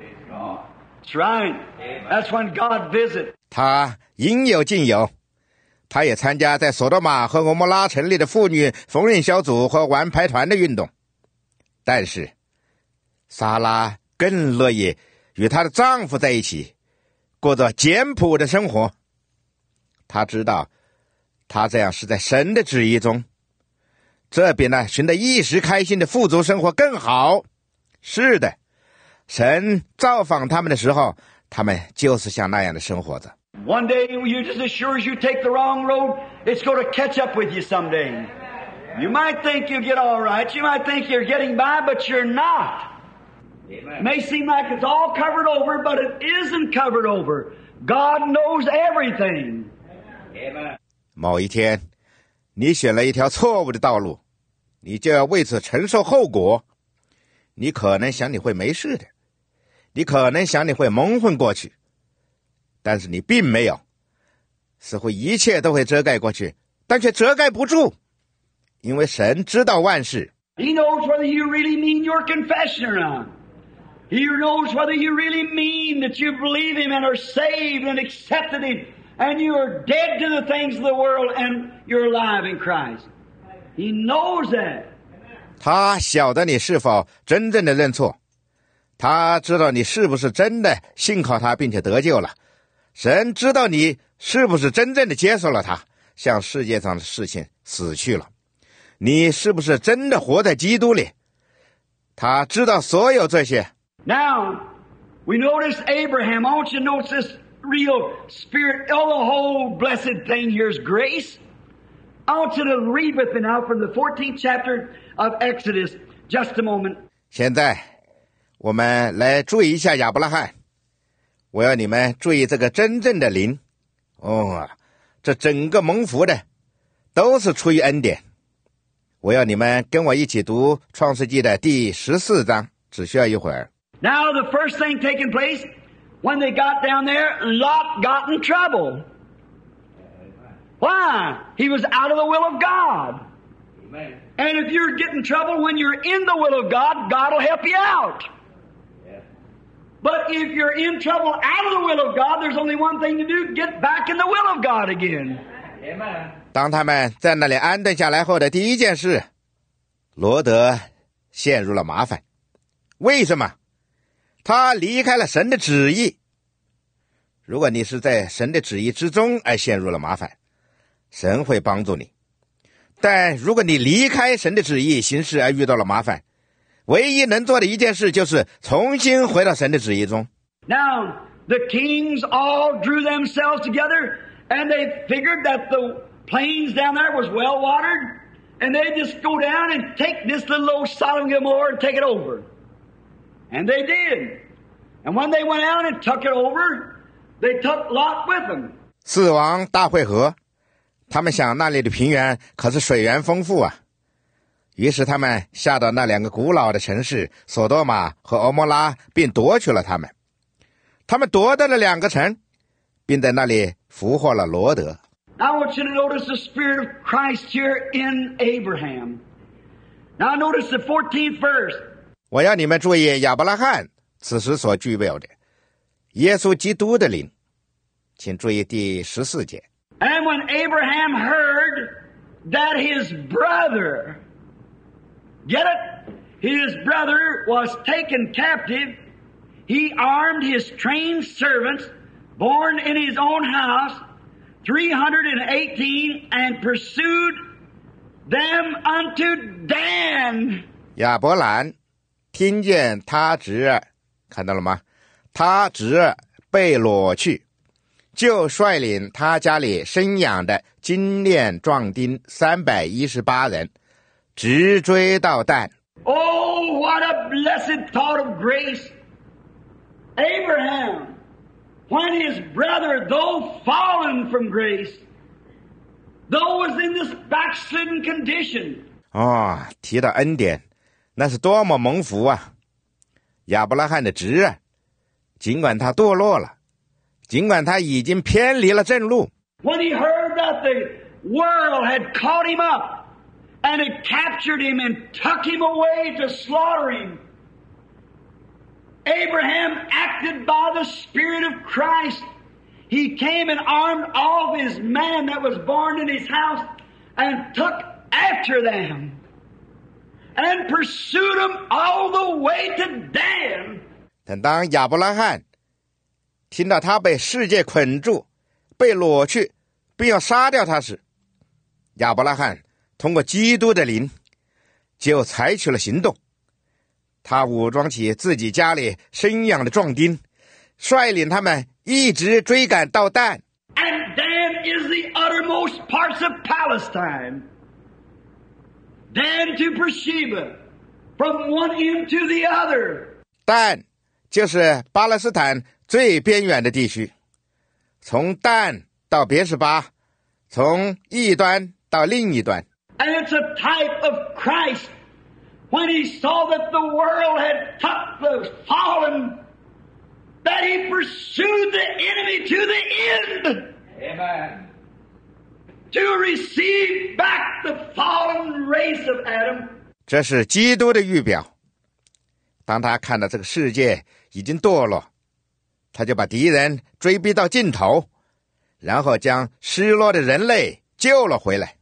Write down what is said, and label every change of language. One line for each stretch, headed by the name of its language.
English: That's right. That's when God visits.
Chinese: 他应有尽有，他也参加在索多玛和俄摩拉成立的妇女缝纫小组和玩牌团的运动，但是撒拉更乐意与她的丈夫在一起，过着简朴的生活。他知道他这样是在神的旨意中，这比那寻得一时开心的富足生活更好。是的，神造访他们的时候，他们就是像那样的生活着。
English: One day you just as sure as you take the wrong road, it's going to catch up with you someday. You might think you get all right, you might think you're getting by, but you're notIt may seem like it's all covered over, but it isn't covered over. God knows everything. Amen.
Chinese: 某一天，你选了一条错误的道路，你就要为此承受后果。你可能想你会没事的，你可能想你会蒙混过去，但是你并没有。似乎一切都会遮盖过去，但却遮盖不住，因为神知道万事。
English: He knows whether you really mean your confession or not. He knows whether you really mean that you believe him and are saved and accepted him and you are dead to the things of the world and you're alive in Christ. He knows that.
Chinese: 他晓得你是否真正的认错，他知道你是不是真的信靠他并且得救了，神知道你是不是真正的接受了他，向世界上的事情死去了，你是不是真的活在基督里，他知道所有这些。
English: Now, we notice Abraham. I want you to notice this real spirit. Oh, the whole blessed thing here is grace. I want you to read with me now from the 14th chapter of Exodus. Just a moment.
Chinese: 现在我们来注意一下亚伯拉罕。我要你们注意这个真正的灵。哦，这整个蒙福的都是出于恩典。我要你们跟我一起读创世纪的第14章，只需要一会儿。
English: Now the first thing taking place, when they got down there, Lot got in trouble. Why? He was out of the will of God. Amen. And if you're getting trouble when you're in the will of God, God will help you out. Yeah. But if you're in trouble out of the will of God, there's only one thing to do, get back in the will of God again. Amen.
Chinese: 当他们在那里安顿下来后的第一件事，罗德陷入了麻烦。为什么？他离开了神的旨意。如果你是在神的旨意之中而陷入了麻烦，神会帮助你。但如果你离开神的旨意行事而遇到了麻烦，唯一能做的一件事就是重新回到神的旨意中。
English: Now, the kings all drew themselves together, and they figured that the plains down there was well watered, and they just go down and take this little old Sodom and Gomorrah and take it over. And they did. And when they went out and took it over, they took Lot with them.
Chinese: 死亡大会合，他们想那里的平原可是水源丰富啊。于是他们下到那两个古老的城市索多玛和俄摩拉，并夺取了他们。他们夺得了两个城，并在那里俘获了罗德。
English: Now I want you to notice the spirit of Christ here in Abraham. Now notice the 14th verse.
Chinese: 我要你们注意亚伯拉罕此时所具备的耶稣基督的灵，请注意第十四节。
English: And when Abraham heard that his brother, get it, his brother was taken captive, he armed his trained servants, born in his own house. 318 and pursued them unto Dan.
Chinese: 亚伯兰听见他侄儿，看到了吗？他侄儿被掳去，就率领他家里生养的精练壮丁318人，直追到但。
English: Oh, what a blessed thought of grace, Abraham! When his brother, though fallen from grace, though was in this backslidden condition.
Chinese: 哦，提到恩典，那是多么蒙福啊！亚伯拉罕的侄儿，尽管他堕落了，尽管他已经偏离了正路。
English: When he heard that the world had caught him up, and it captured him and took him away to slaughter him. Abraham acted by the Spirit of Christ. He came and armed all of his men that was born in his house and took after them and pursued them all the way to Dan.
Chinese: 但当亚伯拉罕听到他被世界捆住，被掳去，并要杀掉他时，亚伯拉罕通过基督的灵就采取了行动。他武装起自己家里生养的壮丁，率领他们一直追赶到但。
English: And Dan is the uttermost parts of Palestine. Dan to Beersheba, from one end to the other.
Chinese: 但就是巴勒斯坦最边缘的地区，从但到别是巴，从一端到另一端。
English: And it's a type of Christ. When he saw that the world had tucked the fallen, that he pursued the enemy to the end. Amen. To receive back the fallen race of Adam.
Chinese: 这是基督的预表。当他看到这个世界已经堕落，他就把敌人追逼到尽头，然后将失落的人类救了回来。